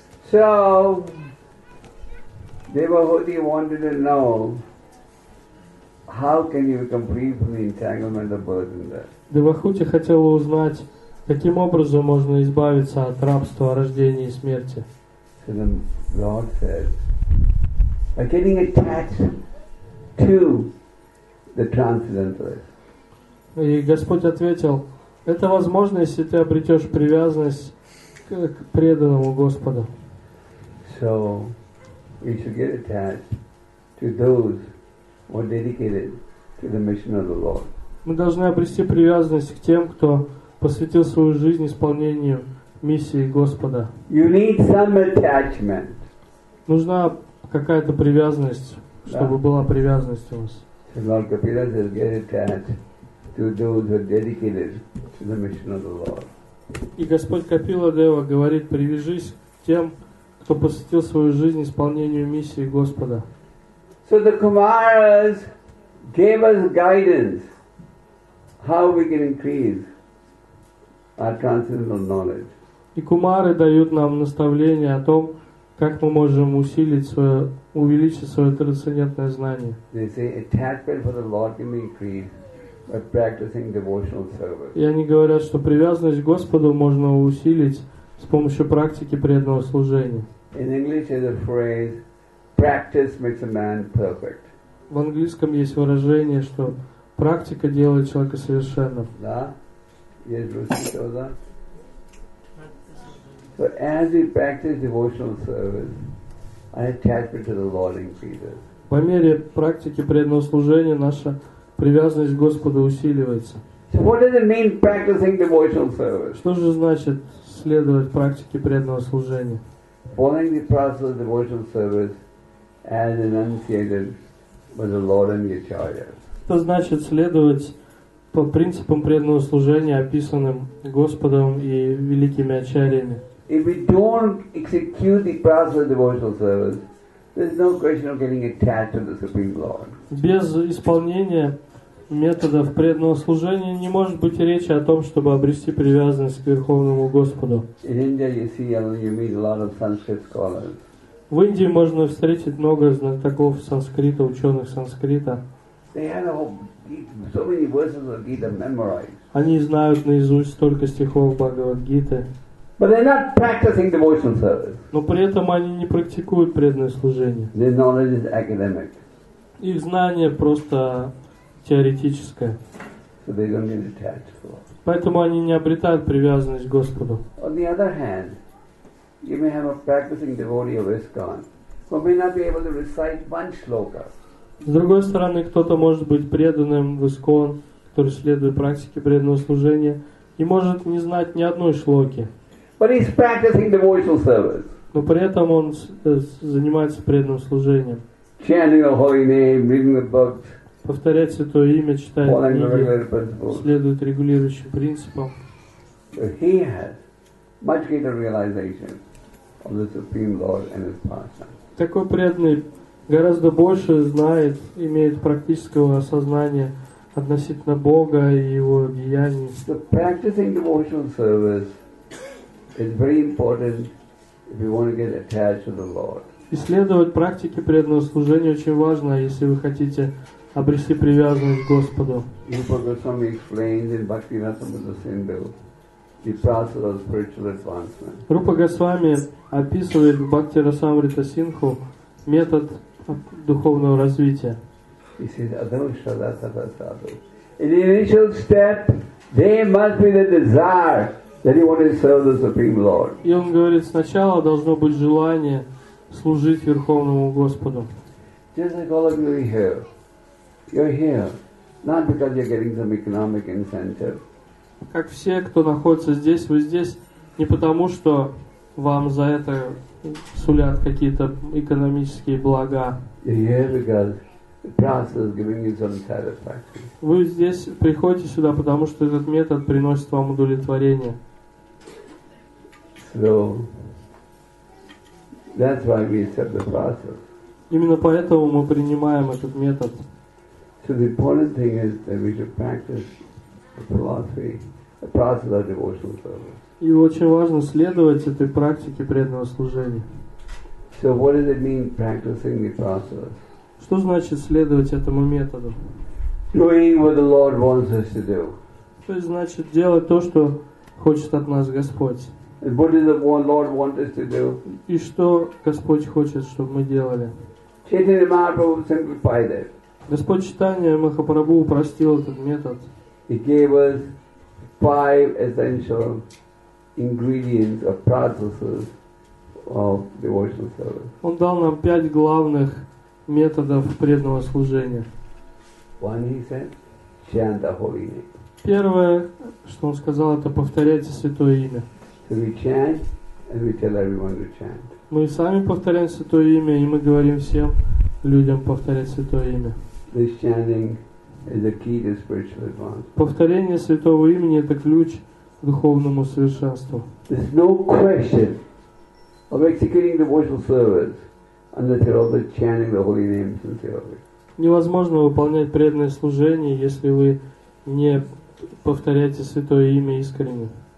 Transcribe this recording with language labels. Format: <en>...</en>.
<en>So, Devahuti wanted to know, how can you become free from the entanglement of birth and death?</en> <ru>Devahuti хотел узнать, каким образом можно избавиться от рабства, рождения и смерти?</ru> <en>So the Lord says, by getting attached to the transcendentalist.</en> <ru>И Господь ответил, это возможно, если ты обретешь привязанность к преданному Господу.</ru> <en>So we should get attached to those who are dedicated to the mission of the Lord.</en> <ru>Мы должны обрести привязанность к тем, кто посвятил свою жизнь исполнению миссии Господа.</ru> <en>You need some attachment.</en> <ru>Нужна какая-то привязанность, чтобы yeah. была привязанность у вас.</ru> <en>So Lord Kapila says, get attached to those who are dedicated to the mission of the Lord.</en> <ru>И Господь Капила Дева говорит, привяжись к тем, кто посвятил свою жизнь исполнению миссии Господа.</ru> <en>So the Kumaras gave us guidance how we can increase our transcendental knowledge.</en> <ru>И кумары дают нам наставление о том, как мы можем усилить свое, увеличить свое трансцендентное знание.</ru> <en>They say attachment for the Lord can be increased by practicing devotional service.</en> <ru>И они говорят, что привязанность к Господу можно усилить с помощью практики преданного служения.</ru> <en>In English is a phrase, practice makes a man perfect.</en> <ru>В английском есть выражение, что практика делает человека совершенным. Да?</ru> <en>Yes, Bruce, you saw that? So as we practice devotional service, our attachment to the Lord increases.</en> <ru>По мере практики преданного служения наша привязанность к Господу усиливается.</ru> <en>So what does it mean practicing devotional service?</en> <ru>Что же значит следовать практике преданного служения?</ru> <en>Following the process of devotional service as enunciated by the Lord and the Acharyas.</en> <ru>Что значит следовать по принципам преданного служения, описанным Господом и великими ачарьями?</ru> <en>If we don't execute the process of devotional service, there's no question of getting attached to the Supreme Lord.</en> <ru>Без исполнения методов преданного служения не может быть речи о том, чтобы обрести привязанность к Верховному Господу.</ru> <en>In India, you see, you meet a lot of Sanskrit scholars.</en> <ru>В Индии можно встретить много знатоков санскрита, ученых санскрита.</ru> <en>They have a whole, so many verses of Gita memorized.</en> <ru>Они знают наизусть столько стихов Бхагавад-гиты.</ru> <en>But they're not practicing devotional service.</en> <ru>Но при этом они не практикуют преданное служение.</ru> <en>Their knowledge is academic.</en> <ru>Их знание просто теоретическое.</ru> <en>So they don't get attached to Lord.</en> <ru>Поэтому они не обретают привязанность к Господу.</ru> <en>On the other hand, you may have a practicing devotee of ISKCON who may not be able to recite one shloka.</en> <ru>С другой стороны, кто-то может быть преданным в ИСКОН, который следует практике преданного служения, и может не знать ни одной шлоки.</ru> <en>But he's practicing devotional service.</en> <ru>Но при этом он занимается преданным служением.</ru> <en>Chanting the holy name, reading the books,</en> <ru>повторять святое имя, читать книги, следует регулирующим принципам.</ru> <en>So he has much greater realization of the Supreme Lord and his pastime.</en> <ru>Такой преданный гораздо больше знает, имеет практического осознания относительно Бога и Его деяний.</ru> <en>So practicing devotional service is very important if you want to get attached to the Lord.</en> <ru>Исследовать практики преданного служения очень важно, если вы хотите обрести привязанность к Господу.</ru> <en>Rupa Goswami explains in Bhaktivinoda Sindhu the process of spiritual advancement.</en> <ru>Rupa Goswami описывает в Bhaktivinoda Sindhu метод духовного развития.</ru> <en>He says, "Adho shada sada sadhu." In the initial step, there must be the desire Then he wanted to serve the Supreme Lord.</en> <ru>И он говорит, сначала должно быть желание служить Верховному Господу.</ru> <en>Just like all of you here. You're here. Not because you're getting some economic incentive.</en> <ru>Как все, кто находится здесь, вы здесь не потому, что вам за это сулят какие-то экономические блага. Вы здесь приходите сюда, потому что этот метод приносит вам удовлетворение.</ru> <en>So, that's why we accept the process.</en> <ru>Именно поэтому мы принимаем этот метод.</ru> <en>So the important thing is that we should practice the philosophy, the process of devotional service.</en> <ru>И очень важно следовать этой практике преданного служения.</ru> <en>So what does it mean, practicing the process?</en> <ru>Что значит следовать этому методу?</ru> <en>Doing what the Lord wants us to do.</en> <ru>То есть значит делать то, что хочет от нас Господь.</ru> <en>And what does the Lord want us to do?</en> <ru>И что Господь хочет, чтобы мы делали?</ru> <en>Chaitanya Mahaprabhu simplified it.</en> <ru>Господь Чайтанья Махапрабху упростил этот метод.</ru> <en>He gave us five essential ingredients or processes of devotional service.</en> <ru>Он дал нам пять главных методов преданного служения.</ru> <en>One, he said, chant the holy name.</en> <ru>Первое, что он сказал, это повторяйте святое имя.</ru> <en>So we chant and we tell everyone to chant.</en> <ru>Мы сами повторяем святое имя, и мы говорим всем людям повторять святое имя.</ru> <en>This chanting is the key to spiritual advance.</en> <ru>Повторение святого имени — это ключ духовному совершенству.</ru> <en>There's no question of executing devotional service unless you're also chanting the holy name sincerely.</en> <ru>Невозможно выполнять преданное служение, если вы не повторяете святое имя искренне.</ru>